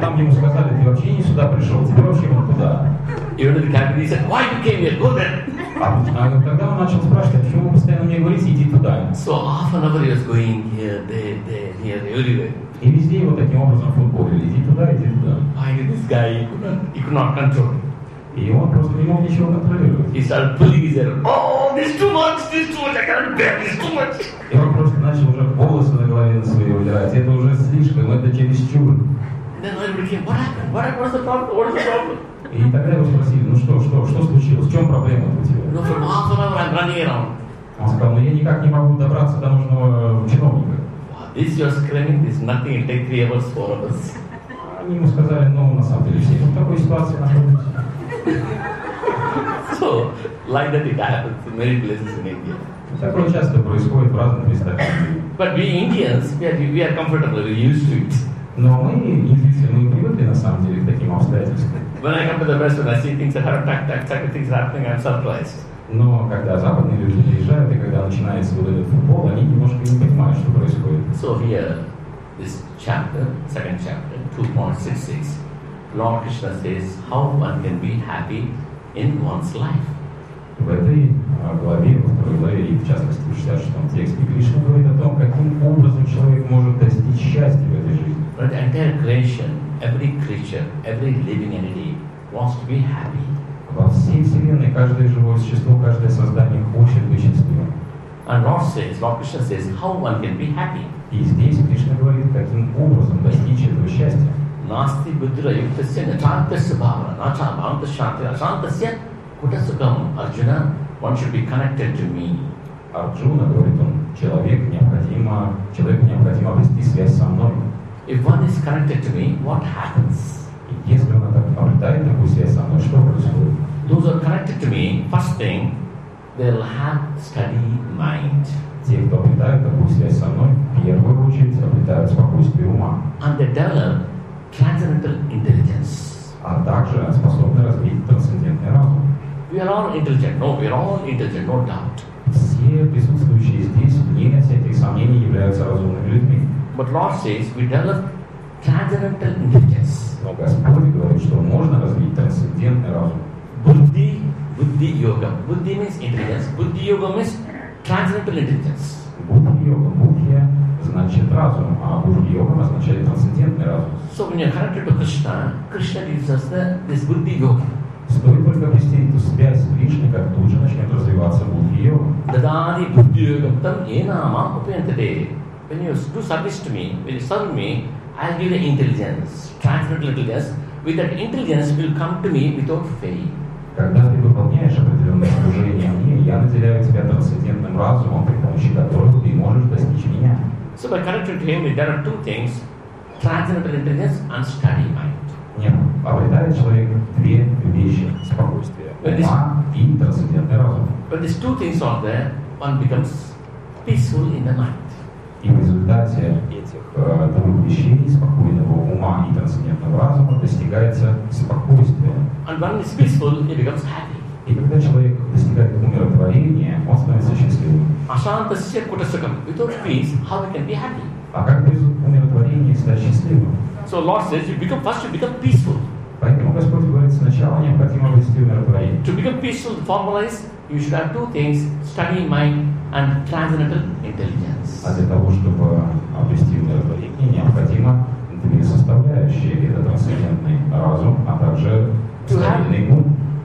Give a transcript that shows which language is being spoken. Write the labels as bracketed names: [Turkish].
[Russian] Там ему сказали, ты вообще не сюда пришел, теперь вообще вон туда. [English] He went to the cabin, he said, why you came here? Go there. [Russian] А когда он начал спрашивать, почему вы постоянно мне говорите, иди туда. [English] So half an hour he was going here, there, there, here, everywhere. [Russian] И везде его таким образом футболили, иди туда, иди туда. [English] Why this guy, he could not control it. [Russian] И он просто не мог ничего контролировать. [English] He started pulling his hair. Oh, this is too much, I cannot bear this, too much. [Russian] И он просто начал уже волосы на голове на свои удирать. Это уже слишком, это чересчур. [English] Then everybody came, what's the problem? [Russian] И тогда его спросили, ну что случилось, в чем проблема у тебя? [English] No, from half an hour I'm running around. [Russian] Он сказал, я никак не могу добраться до нужного чиновника. [English] This you're screaming, this nothing, it takes 3 hours, 4 hours. [Russian] Они ему сказали, на самом деле, все в такой ситуации находимся. [English] So, like that it happens in many places in India. [Russian] Такое часто происходит в разных местах. [English] But we Indians, we are comfortable, we're used to it. [Russian] Но мы индийцы, мы привыкли на самом деле к таким обстоятельствам. [English] When I come to the West, when I see things that happen, tack, things happening, I'm surprised. [Russian] Но когда западные люди приезжают, и когда начинается вот этот футбол, они немножко не понимают, что происходит. [English] So here, this chapter, second chapter, 2.66, Lord Krishna says, how one can be happy in one's life. [Russian] В этой главе, во второй главе, и в частности в 66-м тексте, Кришна говорит о том, каким образом человек может достичь счастья в этой жизни. [English] But the entire creation, every creature, every living entity wants to be happy. [Russian] Во всей Вселенной каждое живое существо, каждое создание хочет быть счастливым. [English] And Lord says, Lord Krishna says, how one can be happy? [Russian] И здесь Кришна говорит, каким образом достичь этого счастья? [Sanskrit] Насти будра юктасья начантасья бхавана, нача бхаванта шанти ашантасья кутасукам, Арджуна, [English] one should be connected to me. [Russian] Арджуна говорит, он, человеку необходимо вести связь со мной. [English] If one is connected to me, what happens? [Russian] Если он обретает такую связь со мной, что происходит? [English] Those who are connected to me, first thing, they'll have steady mind. [Russian] Те, кто обретают такую связь со мной, в первую очередь обретают спокойствие ума. [English] And they develop transcendental intelligence. [Russian] А также способны развить трансцендентный разум. [English] We are all intelligent. No, we are all intelligent, no doubt. [Russian] Все присутствующие здесь, вне всяких сомнений, являются разумными людьми. [English] But Lord says we develop transcendental intelligence. [Russian] Но Господь говорит, что можно развить трансцендентный разум. [English] Buddhi, Buddhi Yoga. Buddhi means intelligence. Buddhi Yoga means transcendental intelligence. [Russian] Buddhi Yoga, Buddhi значит разум, а Buddhi Yoga означает трансцендентный разум. [English] So when you're connected to Krishna, Krishna gives us this Buddhi Yoga. [Russian] Стоит только обрести эту связь с Кришной, как тут же начнет развиваться Buddhi Yoga. [Sanskrit] Dadadi Buddhi Yoga. Tam ena ma upayantate. [English] When you do service to me, when you serve me, I'll give you intelligence, transcendental intelligence. With that intelligence, will come to me without fail. [Russian] Когда ты выполняешь определенное служение мне, я наделяю тебя трансцендентным разумом, при помощи которого ты можешь достичь меня. [English] So by connecting to him, there are two things: transcendental intelligence and steady mind. [Russian] Нет, обретает человек две вещи: спокойствие ума и трансцендентный разум. [English] When these two things are there, one becomes peaceful in the mind. [Russian] И в результате этих двух вещей, спокойного ума и трансцендентного разума, достигается спокойствие. [English] And when he's peaceful, he becomes happy. [Russian] И когда человек достигает умиротворения, он становится счастливым. [Sanskrit] Ашантасья кутасакам. [English] Without peace, how he can be happy? [Russian] А как без умиротворения стать счастливым? [English] So Lord says, first you become peaceful. [Russian] Поэтому Господь говорит, сначала необходимо обрести умиротворение. [English] To become peaceful, formalized, you should have two things: study mind and transcendental intelligence. [Russian] А для того, чтобы обрести умиротворение, необходимо две составляющие. Это трансцендентный разум, а также стабильный ум.